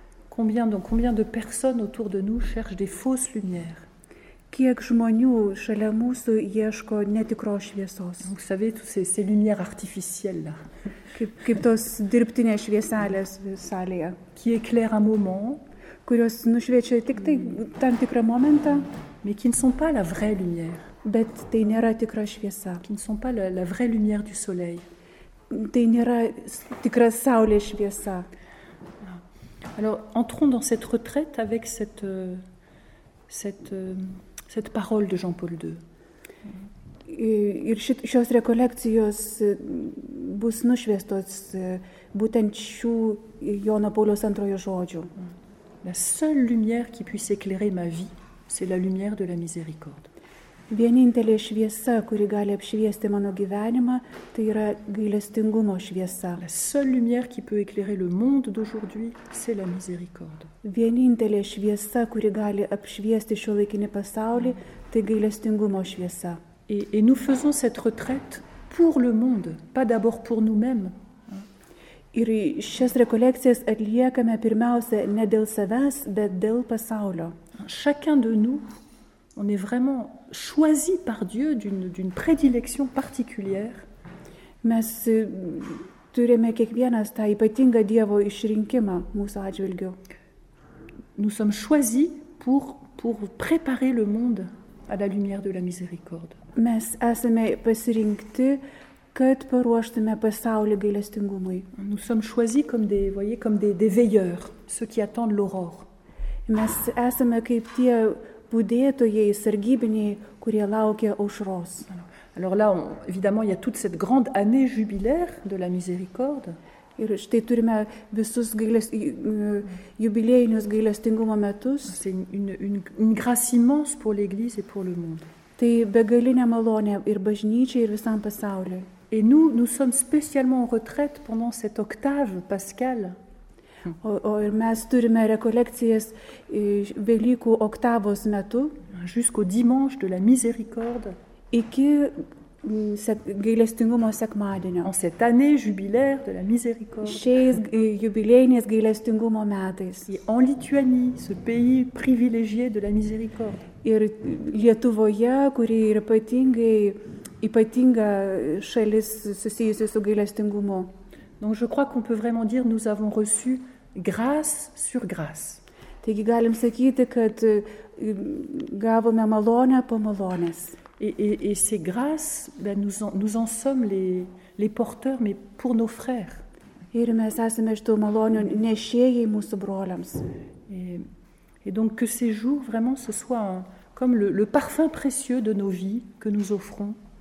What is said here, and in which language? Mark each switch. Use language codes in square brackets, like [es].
[fr] Combien de personnes autour de nous cherchent des fausses lumières? [lt] Kiek žmonių šalia mūsų ieško netikros šviesos. [fr] Vous savez, tous ces lumières artificielles là. [lt] Kaip tos dirbtinės švieselės salėje. [fr] Qui éclaire un moment. [lt] Kurios nušviečia tik tai tam tikrą momentą. [fr] Mais qui ne sont pas la vraie lumière. [lt] Bet tai nėra tikra šviesa. [fr] Qui ne sont pas la vraie lumière du soleil. [lt] Tai nėra tikra saulės šviesa. [fr] Alors, entrons dans cette retraite avec cette parole de Jean-Paul II. [lt] Ir šios rekolekcijos bus nušviestos būtent šių Jono Pauliaus antrojo žodžių. [fr] La seule lumière qui puisse éclairer ma vie, c'est la lumière de la miséricorde. [lt] Vienintelė šviesa, kuri gali apšviesti mano gyvenimą, tai yra gailestingumo šviesa. [fr] La seule lumière qui peut éclairer le monde d'aujourd'hui, c'est la miséricorde. [lt] Vienintelė šviesa, kuri gali apšviesti šiuolaikinį pasaulį, tai gailestingumo šviesa. [fr] Et nous faisons cette retraite pour le monde, pas d'abord pour nous-mêmes. [lt] Ir šias rekolekcijas atliekame pirmiausia ne dėl savęs, bet dėl pasaulio. [fr] Chacun de nous, on est vraiment choisi par Dieu d'une prédilection particulière. [lt] Mes turime kiekvienas tą ypatingą Dievo išrinkimą mūsų atžvilgiu. [fr] Nous sommes choisis pour préparer le monde à la lumière de la miséricorde. [lt] Mes esame pasirinkti, kad paruoštume pasaulį gailestingumui. [fr] Nous sommes choisis comme des, voyez, comme des veilleurs, ceux qui attendent l'aurore. [lt] Mes esame kaip tie budėtojai, sargybiniai, kurie laukia aušros. [fr] Alors là, évidemment, il y a toute cette grande année jubilaire de la miséricorde. [lt] Ir štai turime visus jubiliejinius gailestingumo metus. [fr] C'est une grâce immense pour l'Église et pour le monde. [lt] Tai begalinė malonė ir bažnyčiai, ir visam pasauliui. [fr] Et nous sommes spécialement en retraite pendant cette octave pascale. [lt] O ir mes turime rekolekcijas Velykų oktavos metu. [fr] Jusqu'au dimanche de la miséricorde. [lt] Iki gailestingumo sekmadienio. [fr] En cette année jubilaire de la miséricorde. [lt] Šiais jubilėjinės gailestingumo metais. [fr] Et en Lituanie, ce pays privilégié de la miséricorde. [lt] Ir Lietuvoje, kuri yra ypatinga šalis susijusi su gailestingumu. [fr] Donc je crois qu'on peut vraiment dire nous avons reçu grâce sur grâce. [lt] Taigi galim sakyti, kad gavome malonę po malonės. [fr] Et ces grâces, ben nous en sommes les porteurs, mais pour nos frères. [lt] Ir mes esame šitų malonių nešėjai mūsų broliams. [fr] Et donc que ces jours vraiment ce soit comme le parfum précieux de nos vies que nous offrons.